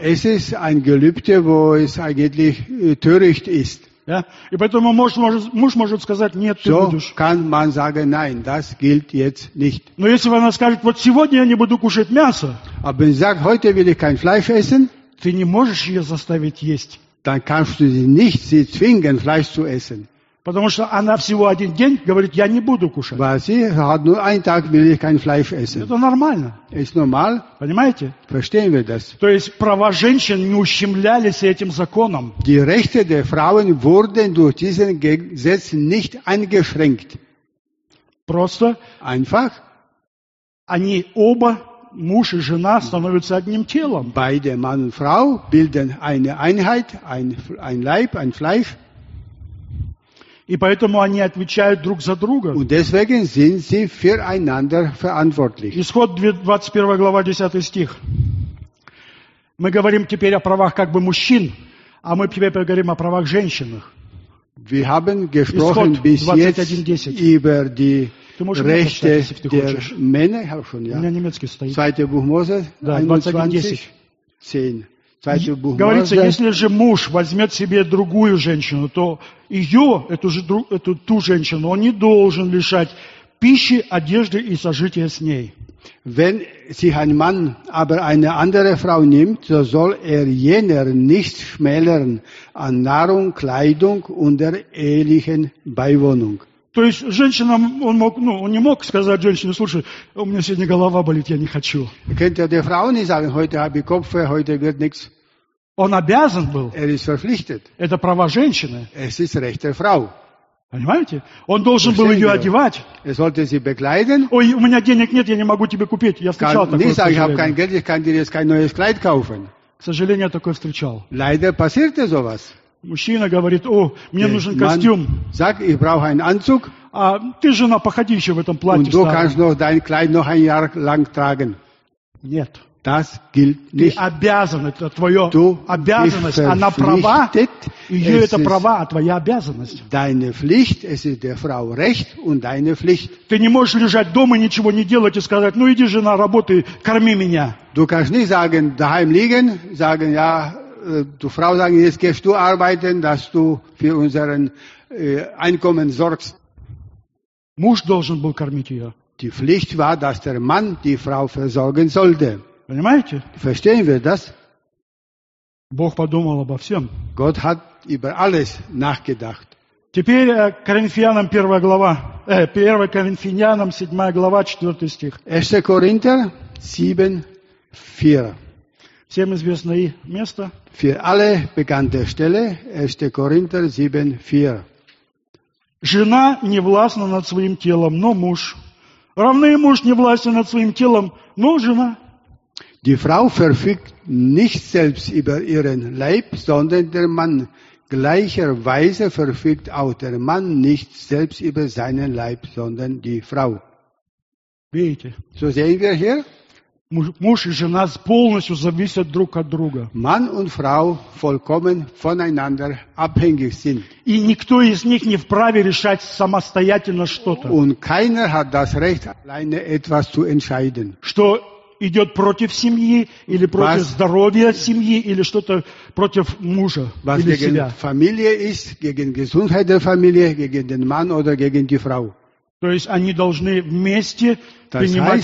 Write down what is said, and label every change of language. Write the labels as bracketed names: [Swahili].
[German] Es ist ein Gelübde, wo es eigentlich töricht ist. Ja? [Russian] И поэтому муж может сказать, нет, [German] so [Russian] ты будешь. [German] So kann man sagen, nein, das gilt jetzt nicht. [Russian] Но если она скажет, вот сегодня я не буду кушать мясо. [German] Aber wenn sie sagt, heute will ich kein Fleisch essen. [Russian] Ты не можешь ее заставить есть. [German] Dann kannst du sie nicht sie zwingen, Fleisch zu essen. [Russian] Потому что она всего один день говорит, я не буду кушать. [German] Weil sie hat nur einen Tag, will ich kein Fleisch essen. [Russian] Это нормально. [German] Ist normal. [Russian] Понимаете? [German] Verstehen wir das. [Russian] То есть права женщин не ущемлялись этим законом. [German] Die Rechte der Frauen wurden durch diesen Gesetz nicht eingeschränkt. [Russian] Просто. [German] Einfach. [Russian] Они оба. Муж и жена становятся одним телом. [German] Beide Mann und Frau bilden eine Einheit, ein Leib, ein Fleisch. [Russian] И поэтому они отвечают друг за друга. [German] Und deswegen sind sie füreinander verantwortlich. [Russian] Исход 21 глава 10 стих. Мы говорим теперь о правах как бы мужчин, а мы теперь говорим о правах женщин. [German] Wir haben gesprochen bis jetzt über die Rechte der Männer. Zweite Buch Mose 21:10. [Russian] Говорится, если же муж возьмет себе другую женщину, то ее, эту женщину, он не должен лишать пищи, одежды и сожития с ней. [German] Wenn sich ein Mann aber eine andere Frau nimmt, so soll er jener nicht schmälern an Nahrung, Kleidung und der ehelichen Beiwohnung. [Russian] То есть женщина, он мог, ну, он не мог сказать женщине: слушай, у меня сегодня голова болит, я не хочу. [German] Könnte er der Frau nicht sagen, heute habe ich Kopf, heute wird nichts. [Russian] Он обязан был. [German] Er ist verpflichtet. [Russian] Это права женщины. [German] Es ist Recht der Frau. [Russian] Понимаете? Он должен был ее одевать. [German] Er sollte sie bekleiden. [Russian] Ой, у меня денег нет, я не могу тебе купить. Я встречал такое. [German] Nicht sagen, ich habe kein Geld, ich kann dir jetzt kein neues Kleid kaufen. [Russian] К сожалению, я такое встречал. [German] Leider passierte sowas. [Russian] Мужчина говорит: о, мне нужен костюм. [German] Sagt, ich brauche einen Anzug. [Russian] А ты, жена, походи еще в этом платье. [German] Und du kannst noch dein Kleid noch ein Jahr lang tragen. [Russian] Нет. [German] Das gilt nicht. [Russian] Ты обязан, это твое [German] du [Russian] обязанность, она права, ее это права, а твоя обязанность. [German] Deine Pflicht, es ist der Frau Recht und deine Pflicht. [Russian] Ты не можешь лежать дома, ничего не делать и сказать: ну иди, жена, работай, корми меня. [German] Du kannst nicht sagen, daheim liegen, sagen, ja, du Frau, sagen, jetzt gehst du arbeiten, dass du für unseren Einkommen sorgst. [Russian] Муж должен был кормить ее. [German] Die Pflicht war, dass der Mann die Frau versorgen sollte. [Russian] Понимаете? [German] Verstehen wir das? [Russian] Бог подумал обо всем. [German] Gott hat über alles nachgedacht. [Russian] Теперь Коринфянам 1 глава, 1 Коринфянам 7 глава, 4 стих. [German] 1 Korinther 7, 4. [Russian] Всем известное место. [German] Für alle bekannte Stelle, 1 Korinther 7, 4. [Russian] Жена не властна над своим телом, но муж. Равны муж не властен над своим телом, но жена. [German] Die Frau verfügt nicht selbst über ihren Leib, sondern der Mann. Gleicherweise verfügt auch der Mann nicht selbst über seinen Leib, sondern die Frau. [Russian] Видите? [German] So sehen wir hier. [Russian] Муж и жена полностью зависят друг от друга. [German] Mann und Frau vollkommen voneinander abhängig sind. [Russian] И никто из них не вправе решать самостоятельно что-то. [German] Und keiner hat das Recht, alleine etwas zu entscheiden. [Russian] Что идет против семьи или против [German] was, [Russian] здоровья семьи или что-то против мужа [German] was [Russian] или [German] gegen [Russian] себя. [German] Familie ist, gegen Gesundheit der Familie, gegen den Mann oder gegen die Frau. [Russian] То есть они должны вместе [German] das [Russian] принимать